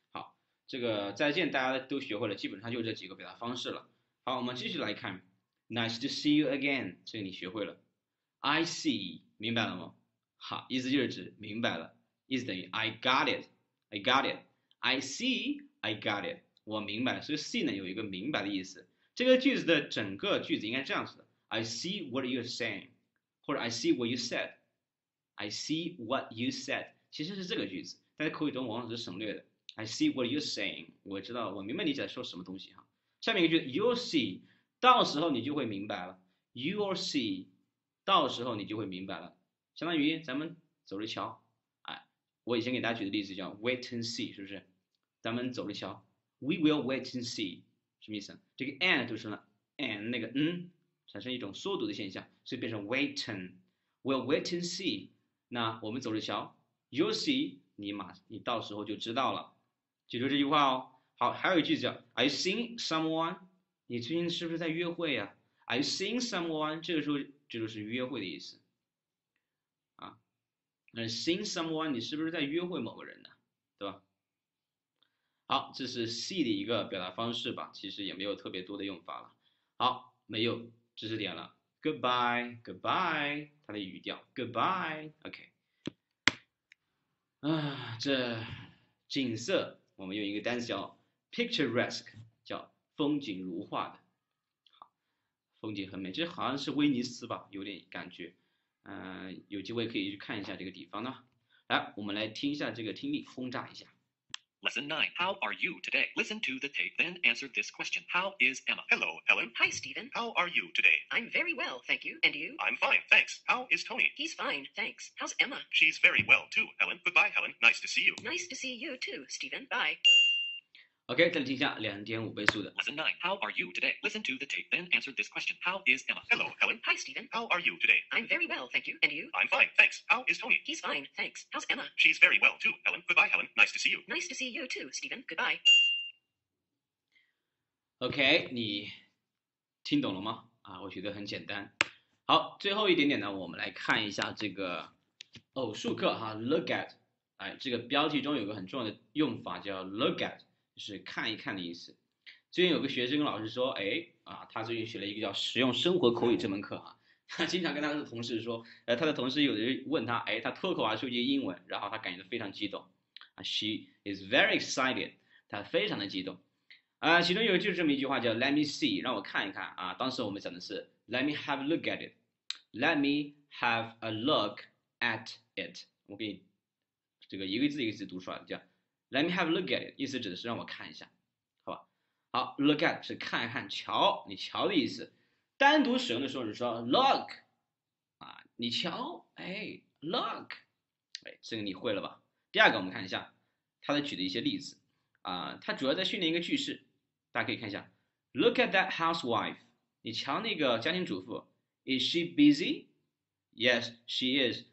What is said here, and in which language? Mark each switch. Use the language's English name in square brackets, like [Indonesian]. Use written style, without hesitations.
[Chinese] 好，这个再见大家都学会了，基本上就这几个表达方式了。好，我们继续来看， [English] Nice to see you again， [Chinese] 这个你学会了。 I see，明白了吗？好，意思就是指明白了，意思等于 [English] I got it，I got it，I see，I got it， [Chinese] 我明白了。所以 see 呢有一个明白的意思。这个句子的整个句子应该这样子的： [English] I see what you're saying， [Chinese] 或者 [English] I see what you said。 I see what you said， [Chinese] 其实是这个句子，但在口语中往往是省略的。 [English] I see what you're saying， [Chinese] 我知道，我明白你在说什么东西哈。下面一个句子， [English] You'll see， [Chinese] 到时候你就会明白了。You'll see，到时候你就会明白了，相当于咱们走着瞧。我以前给大家举的例子叫 [English] wait and see， [Chinese] 是不是？咱们走着瞧。 [English] We will wait and see， [Chinese] 什么意思？这个 and 就成了 and 那个产生一种缩读的现象，所以变成 wait and， [English] we'll wait and see。 [Chinese] 那我们走着瞧， [English] You'll see， [Chinese] 你到时候就知道了。记住这句话哦。好，还有一句叫 [English] "Are you seeing someone？" [Chinese] 你最近是不是在约会呀？ [English] "Are you seeing someone？" [Chinese] 这个时候这就是约会的意思。 [English] "Are you seeing someone？" [Chinese] 你是不是在约会某个人呢？对吧？好，这是 see 的一个表达方式吧，其实也没有特别多的用法了。好，没有知识点了。 [English] Goodbye，Goodbye，goodbye, [Chinese] 它的语调，Goodbye，OK，这景色，我们用一个单词叫 picturesque 叫风景如画的，风景很美，这好像是威尼斯吧，有点感觉。有机会可以去看一下这个地方呢。来，我们来听一下这个听力，轰炸一下。 [English] Lesson 9. How are you today? Listen to the tape, then answer this question. How is Emma? Hello, Helen. Hi, Stephen. How are you today? I'm very well, thank you. And you? I'm fine, thanks. How is Tony? He's fine, thanks. How's Emma? She's very well, too, Helen. Goodbye, Helen. Nice to see you. Nice to see you, too, Stephen. Bye. [Chinese] OK, 再听一下2.5倍速的。 [English] Lesson 9. How are you today? Listen to the tape, then answer this question. How is Emma? Hello, Helen. Hi, Stephen. How are you today? I'm very well, thank you. And you? I'm fine, thanks. How is Tony? He's fine, thanks. How's Emma? She's very well, too, Helen. Goodbye, Helen. Nice to see you. Nice to see you, too, Stephen. Goodbye. [Chinese] OK, 你听懂了吗？我觉得很简单。好，最后一点点呢，我们来看一下这个偶数课哈。 Look at, 这个标题中有个很重要的用法叫 look at。是看一看的意思。最近有个学生跟老师说，他最近学了一个叫实用生活口语这门课哈。他经常跟他的同事说，他的同事有的人问他，他脱口而出一句英文，然后他感觉非常激动。 [English] She is very excited， [Chinese] 他非常的激动。其中有就是这么一句话叫 [English] Let me see， [Chinese] 让我看一看啊。当时我们讲的是 [English] Let me have a look at it， Let me have a look at it。 [Chinese] 我给你这个一个字一个字读出来，叫。 [English] Let me have a look at it， [Chinese] 意思指的是让我看一下，好吧？好 ，look at 是看一看，瞧，你瞧的意思。单独使用的时候是说 look， 你瞧，look， 这个你会了吧？第二个我们看一下，他的举的一些例子，他主要在训练一个句式，大家可以看一下 ， [English] look at that housewife， [Chinese] 你瞧那个家庭主妇 ， [English] is she busy？Yes， she is。